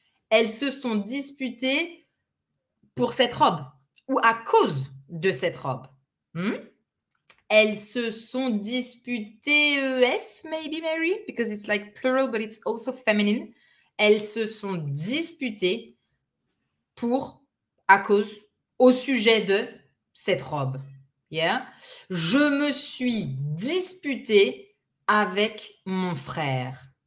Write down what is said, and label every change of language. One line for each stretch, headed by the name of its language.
French: Elles se sont disputées pour cette robe ou à cause de cette robe. Elles se sont disputées,
English: ES, maybe, Mary, because it's like plural, but it's also feminine.
French: Elles se sont disputées pour, à cause, au sujet de cette robe. Yeah? Je me suis disputée avec mon frère.